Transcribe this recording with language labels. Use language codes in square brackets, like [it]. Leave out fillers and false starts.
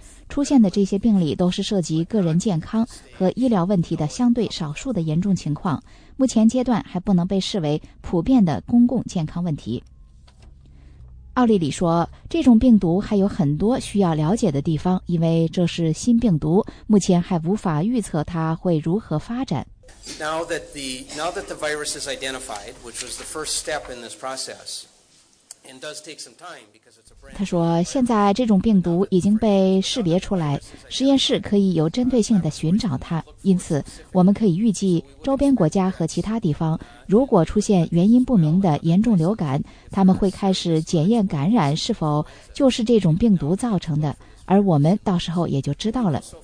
[zh] 出现的这些病例都是涉及个人健康和医疗问题的相对少数的严重情况，目前阶段还不能被视为普遍的公共健康问题。奥利里说，这种病毒还有很多需要了解的地方，因为这是新病毒，目前还无法预测它会如何发展。 [en] Now that the virus is identified, which was the first step in this process, and does take some time because it's a brand. [zh] 他说，现在这种病毒已经被识别出来，实验室可以有针对性地寻找它，因此我们可以预计周边国家和其他地方如果出现原因不明的严重流感，他们会开始检验感染是否就是这种病毒造成的，而我们到时候也就知道了。